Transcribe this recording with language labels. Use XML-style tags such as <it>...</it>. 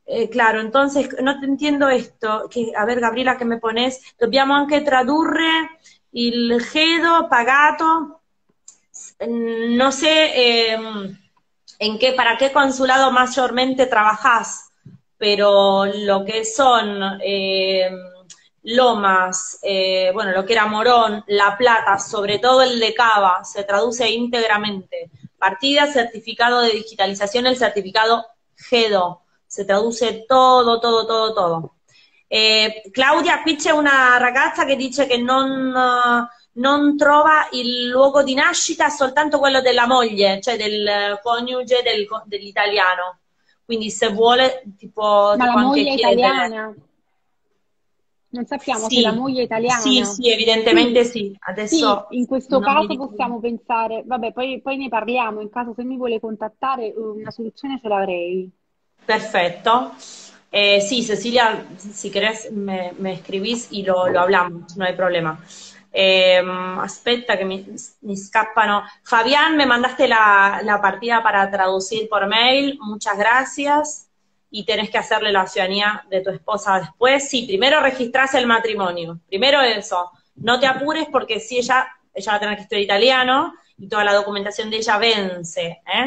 <es>Claro, entonces, no te entiendo esto. Que, a ver, Gabriela, ¿qué me pones?</es> <it>Dobbiamo anche tradurre il GEDO pagato.</it> <es>No sé... ¿En qué, para qué consulado mayormente trabajás? Pero lo que son Lomas, bueno, lo que era Morón, La Plata, sobre todo el de Cava, se traduce íntegramente. Partida, certificado de digitalización, el certificado GEDO. Se traduce todo, todo, todo, todo.</es> <it>Claudia, qui c'è una ragazza que dice que no... non trova il luogo di nascita, soltanto quello della moglie, cioè del coniuge del, dell'italiano. Quindi se vuole, tipo... Ma la moglie è italiana? Non sappiamo sì. Se la moglie è italiana. Sì, sì, evidentemente sì. Adesso sì, in questo caso possiamo pensare... Vabbè, poi ne parliamo, in caso se mi vuole contattare, una soluzione ce l'avrei. Perfetto.</it> <es>Sì, Cecilia, si querés, me escribís y lo hablamos, no hay problema.</es> <it>Aspetta che mi scappano.</it> <es>Fabián, me mandaste la partita para traducir por mail, muchas gracias, y tenés que hacerle la ciudadanía de tu esposa después. Sí, primero registrás el matrimonio, primero eso, no te apures porque si ella va a tener que estudiar italiano y toda la documentación de ella vence.</es>